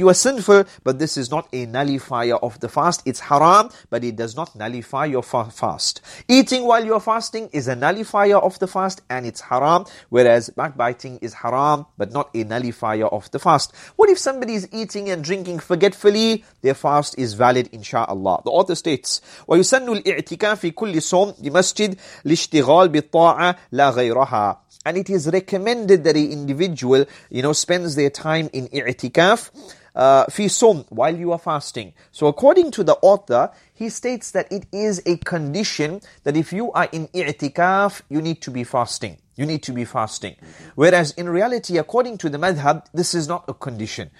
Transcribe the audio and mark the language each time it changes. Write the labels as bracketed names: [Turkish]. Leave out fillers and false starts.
[English] You are sinful, but this is not a nullifier of the fast. It's haram, but it does not nullify your fast. Eating while you're fasting is a nullifier of the fast and it's haram, whereas backbiting is haram, but not a nullifier of the fast. What if somebody is eating and drinking forgetfully? Their fast is valid, inshallah. [Arabic] The author states, وَيُسَنُّ الْإِعْتِكَافِ كُلِّ صَوْمْ لِمَسْجِدْ لِشْتِغَالْ بِالطَّاعَةِ La ghayraha. [English] And it is recommended that an individual, you know, spends their time in i'tikaf, [Arabic] fi sum, [English] while you are fasting. So according to the author, he states that it is a condition that if you are in i'tikaf, you need to be fasting. You need to be fasting. Whereas in reality, according to the madhab, this is not a condition.